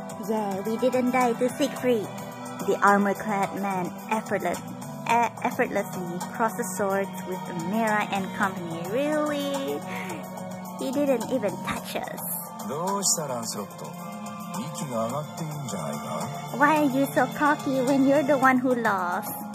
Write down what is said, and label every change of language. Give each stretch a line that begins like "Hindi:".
English: Yeah, we didn't die to Siegfried. The armor-clad man effortlessly crosses swords with Mira and company. Really? He didn't even touch us.
Japanese: どうしたランスロット?息が上がっているんじゃないか?
English: Why are you so cocky when you're the one who lost?